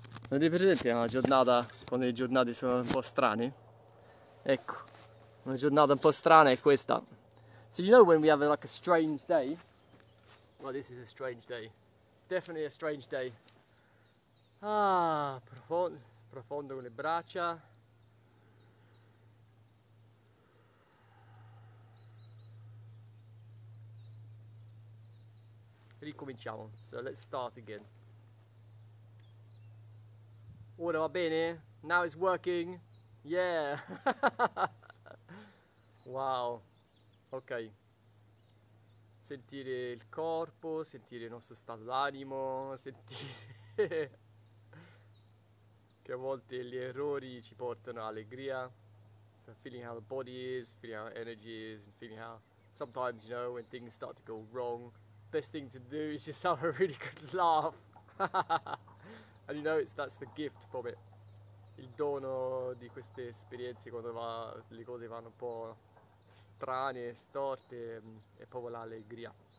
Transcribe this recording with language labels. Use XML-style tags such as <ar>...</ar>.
<it>Non è per esempio una giornata quando le giornate sono un po' strane? Ecco, una giornata un po' strana è questa.</it> <en>So you know when we have like a strange day? Well, this is a strange day. Definitely a strange day.</en> <it>Ah, profondo con le braccia. Ricominciamo.</it> <en>So let's start again.</en> <it>Ora va bene?</it> <en>Now it's working. Yeah. Wow. Ok.</en> <it>Sentire il corpo, sentire il nostro stato d'animo, sentire che a volte gli errori ci portano all'allegria.</it> <en>So feeling how the body is, feeling how energy is, and feeling how sometimes, you know, when things start to go wrong, best thing to do is just have a really good laugh. And you know, that's the gift from it.</en> <it>Il dono di queste esperienze quando le cose vanno un po' strane, storte, e proprio l'allegria.</it>